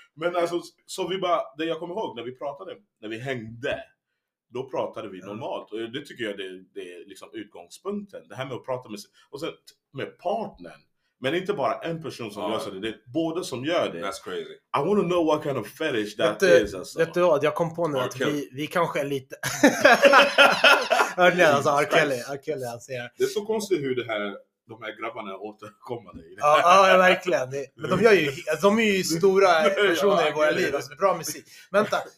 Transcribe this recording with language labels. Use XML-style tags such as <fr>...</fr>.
<sv>Men alltså, så vi bara, det jag kommer ihåg när vi pratade, när vi hängde. Då pratade vi normalt. Och det tycker jag det är liksom utgångspunkten. Det här med att prata med sig. Och sen med partnern. Men inte bara en person som gör det. Det är båda som gör det.</sv> <en>That's crazy. I want to know what kind of fetish that is.</en> <sv>Alltså. Vet du vad? Jag kom på nu att vi kanske är lite... Hörde ni? Alltså, R. Kelly. Det är så konstigt hur det här... De här grabbarna återkommande. Ja, verkligen. Men de är ju stora personer i våra liv. Alltså, bra musik. Vänta.</sv>